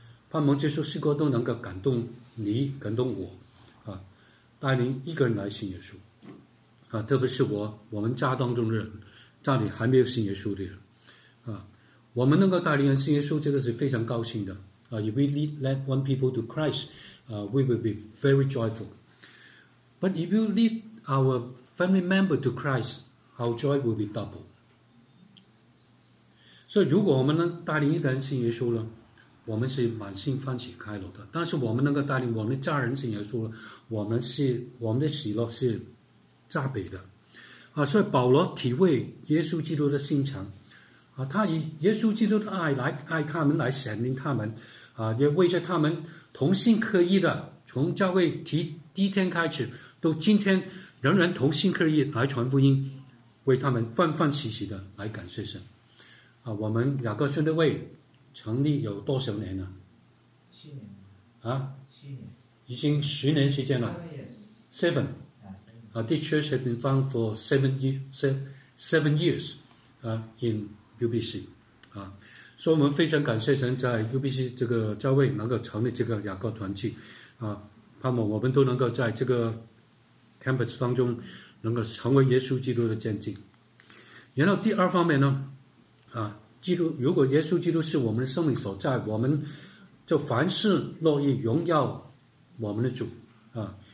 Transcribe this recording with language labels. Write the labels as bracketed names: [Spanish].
[Chinese] 盼望这首诗歌都能够感动你, 感动我, 带领一个人来信耶稣。啊，特别是我们家当中的人，家里还没有信耶稣的人，啊，我们能够带领人信耶稣，这个是非常高兴的。 [English] 啊 ，if we lead one people to Christ, we will be very joyful. But if you lead our family member to Christ, our joy will be double. [Chinese] 所以，如果我们能带领一个人信耶稣了，我们是满心欢喜快乐的。但是，我们能够带领我们的家人信耶稣了，我们的喜乐是加倍的。啊，所以保罗体会耶稣基督的心肠。啊，他以耶稣基督的爱来爱他们，来显明他们，啊，也为着他们同心合意的，从教会第一天开始到今天，仍然同心合意来传福音，为他们欢欢喜喜的来感谢神。啊，我们雅各兄弟会成立有多少年了？ 7年。啊？ 7年。已经10年时间了。 [English] 7 years. 7. 啊 ，this church has been found for seven years. [Chinese] 啊 ，in UBC 啊，所以我们非常感谢神在 UBC 这个教会能够成立这个雅各团契啊，盼望我们都能够在这个 campus 当中能够成为耶稣基督的见证。然后第二方面呢，啊，基督如果耶稣基督是我们的生命所在，我们就凡事乐意荣耀我们的主啊。